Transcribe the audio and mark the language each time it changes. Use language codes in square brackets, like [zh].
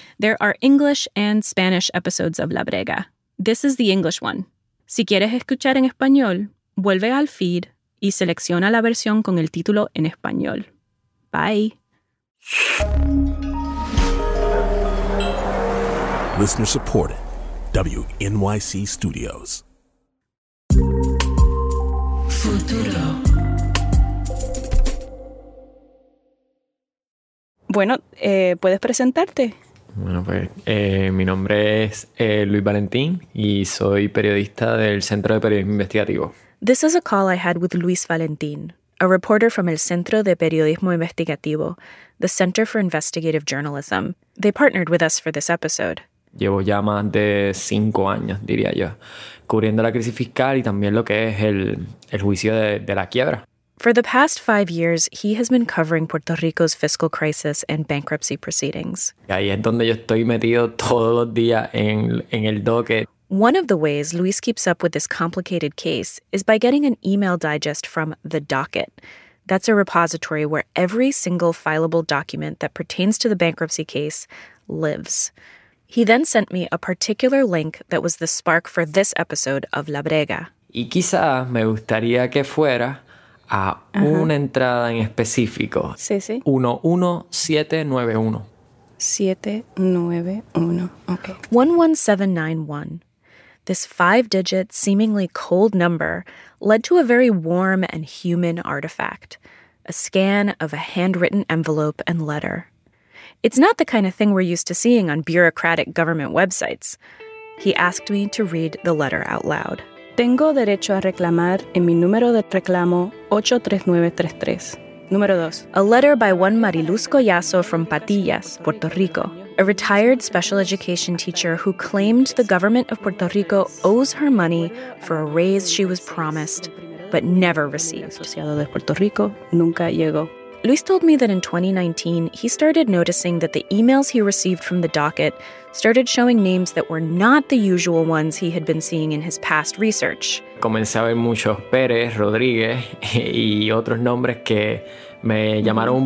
[en] There are English and Spanish episodes of La Brega. This is the English one. [es] Si quieres escuchar en español, vuelve al feed y selecciona la versión con el título en español. [en] Bye. Listener supported. WNYC Studios. Futuro. [es] Bueno, ¿puedes presentarte? Bueno, pues mi nombre es Luis Valentín y soy periodista del Centro de Periodismo Investigativo. [en] This is a call I had with Luis Valentín, a reporter from el Centro de Periodismo Investigativo, the Center for Investigative Journalism. They partnered with us for this episode. [es] Llevo ya más de 5 años, diría yo, cubriendo la crisis fiscal y también lo que es el juicio de la quiebra. [en] For the past 5 years, he has been covering Puerto Rico's fiscal crisis and bankruptcy proceedings. [es] Ahí es donde yo estoy metido todos los días en el docket. [en] One of the ways Luis keeps up with this complicated case is by getting an email digest from The Docket. That's a repository where every single fileable document that pertains to the bankruptcy case lives. He then sent me a particular link that was the spark for this episode of La Brega. [es] Y quizá me gustaría que fuera a una entrada en específico. Sí, sí. 11791. [en] 791, okay. 11791. This 5-digit, seemingly cold number led to a very warm and human artifact, a scan of a handwritten envelope and letter. It's not the kind of thing we're used to seeing on bureaucratic government websites. He asked me to read the letter out loud. [es] Tengo derecho a reclamar en mi número de reclamo 83933. Número dos. [en] A letter by one Mariluz Collazo from Patillas, Puerto Rico, a retired special education teacher who claimed the government of Puerto Rico owes her money for a raise she was promised, but never received. [es] Asociado de Puerto Rico, nunca llegó. [en] Luis told me that in 2019, he started noticing that the emails he received from The Docket started showing names that were not the usual ones he had been seeing in his past research. [es] Comencé a ver muchos Pérez, Rodríguez y otros nombres que me llamaron un